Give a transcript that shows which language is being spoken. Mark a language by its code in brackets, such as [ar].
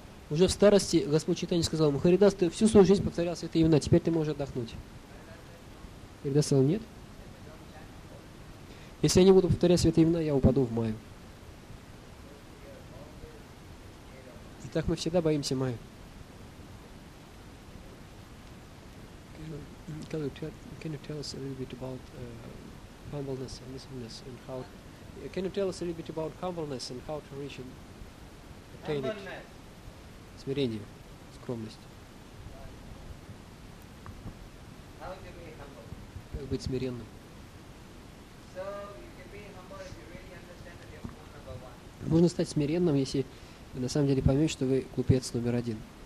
[ru] Уже в старости Господь Чайтанья сказал ему: Харидас, ты всю свою жизнь повторял святые имена, теперь ты можешь отдохнуть. Харидас сказал: нет. Если я не буду повторять святые имена, я упаду в Майю. Итак, мы всегда боимся Майи. [en] Can you tell us a little bit about humbleness and listenness and how? Can you tell us a little bit about humbleness and how to reach and attain it? [ru] Смирение, скромность. [en] How can be humble? [ru] Как быть смиренным? [en] So you can be humble if you really understand that you're number one. [ru] Можно стать смиренным, если на самом деле поймете, что вы глупец номер один.